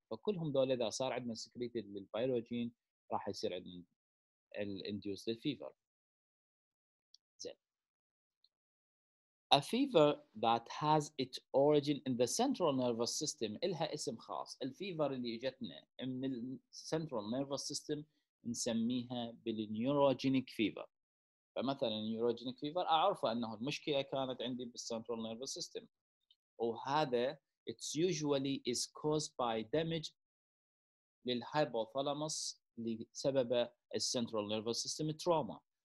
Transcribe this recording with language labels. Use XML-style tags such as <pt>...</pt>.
<ar>فكلهم دول إذا صار عندنا secreted للبيروجين راح يصير عندنا induced fever. زين.</ar> <en>A fever that has its origin in the central nervous system</en> <ar>إلها اسم خاص. الفيفر اللي جتنا من</ar> <en>the central nervous system</en> <ar>نسميها بالنيوروجينيك فيفر. فمثلا النيوروجينيك فيفر اعرفه انه المشكله كانت عندي بالسنترال نيرفس سيستم وهذا</ar> <en>it's usually is caused by damage</en> <ar>للهايبوثالاموس اللي سببه السنترال نيرفس سيستم تروما.</ar>